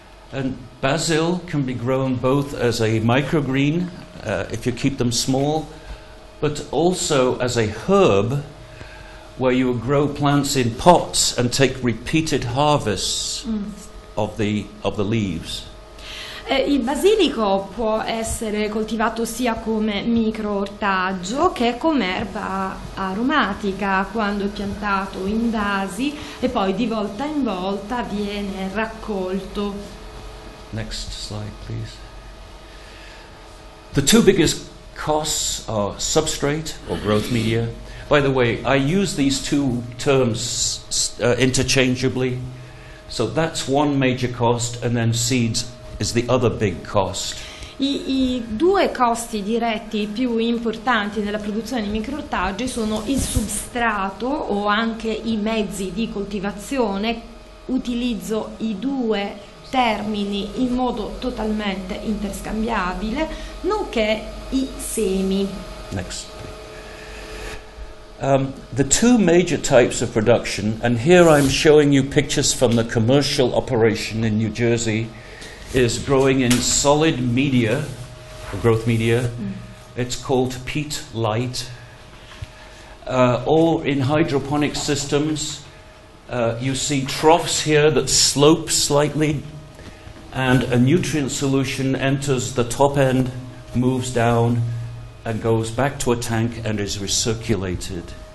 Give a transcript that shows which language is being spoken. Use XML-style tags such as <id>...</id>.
<en>And basil can be grown both as a microgreen, if you keep them small, but also as a herb, where you grow plants in pots and take repeated harvests of the leaves.</en> <it>Il basilico può essere coltivato sia come micro ortaggio che come erba aromatica quando è piantato in vasi e poi di volta in volta viene raccolto.</it> <en>Next slide, please. The two biggest costs are substrate or growth media. By the way, I use these two terms interchangeably. So that's one major cost, and then seeds is the other big cost.</en> <it>I due costi diretti più importanti nella produzione di microortaggi sono il substrato o anche i mezzi di coltivazione. Utilizzo i due termini in modo totalmente interscambiabile, nonché i semi.</it> <en>Next. The two major types of production, and here I'm showing you pictures from the commercial operation in New Jersey, is growing in solid media, or growth media. Mm. It's called peat light. Or in hydroponic systems, you see troughs here that slope slightly, and a nutrient solution enters the top end, moves down, and goes back to a tank and is recirculated.</en>